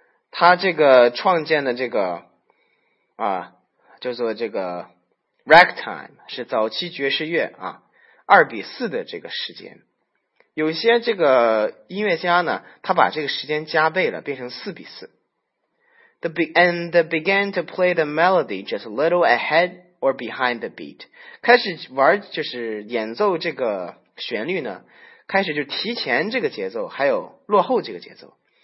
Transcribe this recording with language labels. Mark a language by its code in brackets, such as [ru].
[zh] 他这个创建的这个叫做这个 ragtime 是早期爵士乐啊，2:4的这个时间。有些这个音乐家呢，他把这个时间加倍了，变成4:4。 [en] And began to play the melody just a little ahead or behind the beat. [zh] 开始玩就是演奏这个旋律呢，开始就提前这个节奏，还有落后这个节奏。